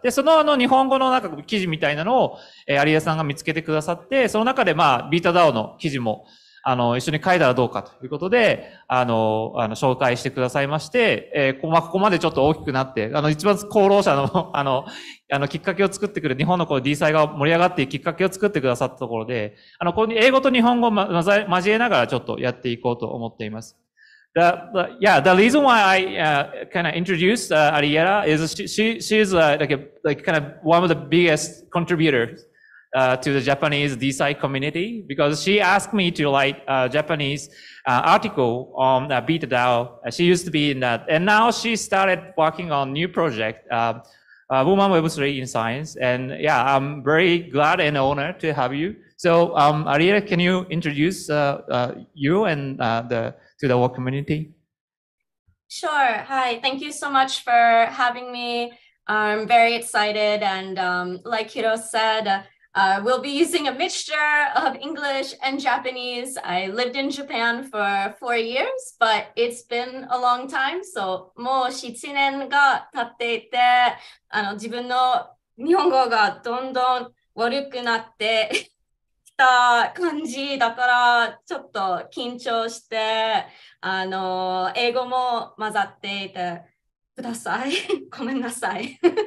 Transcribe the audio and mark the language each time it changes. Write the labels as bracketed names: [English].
[Japanese] で、その日本語のなんか記事みたいなのを、アリエラさんが見つけてくださって、その中で、ビータダオの記事も、一緒に書いたらどうかということで、紹介してくださいまして、ここまでちょっと大きくなって、一番功労者の、きっかけを作ってくる、日本のこの DEI が盛り上がっていくきっかけを作ってくださったところで、ここに英語と日本語を交えながらちょっとやっていこうと思っています。 [English] The reason why I, kind of introduced, Ariella is she is kind of one of the biggest contributors. To the Japanese DeSci community, because she asked me to write a Japanese article on Beta DAO. She used to be in that. And now she started working on new project, Woman Web3 in Science. And yeah, I'm very glad and honored to have you. So, Ariella, can you introduce you and to the work community? Sure. Hi. Thank you so much for having me. I'm very excited. And like Hiro said,we'll be using a mixture of English and Japanese. I lived in Japan for 4 years, but it's been a long time. [Japanese] So, もう7年が経っていて、自分の日本語がどんどん悪くなってきた感じだから、ちょっと緊張して、英語も混ざっていてください。ごめんなさい。